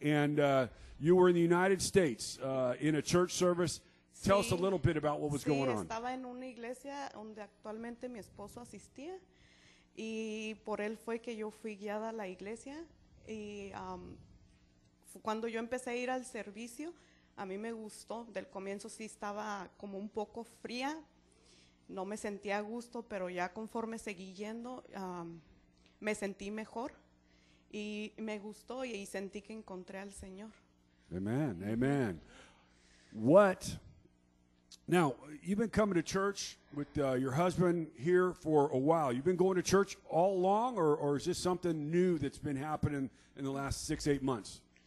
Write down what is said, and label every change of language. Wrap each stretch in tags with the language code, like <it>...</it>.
<en>And you were in the United States in a church service. Sí. Tell us a little bit about what was going on.</en> <es>Estaba en una iglesia donde actualmente mi esposo asistía. Y por él fue que yo fui guiada a la iglesia. Y cuando yo empecé a ir al servicio, a mí me gustó. Del comienzo sí estaba como un poco fría. No me sentía a gusto, pero ya conforme seguí yendo, me sentí mejor y me gustó y sentí que encontré al Señor.</es> <en>Amen, amen. What? Now, you've been coming to church with your husband here for a while. You've been going to church all along, or is this something new that's been happening in the last 6-8 months?</en>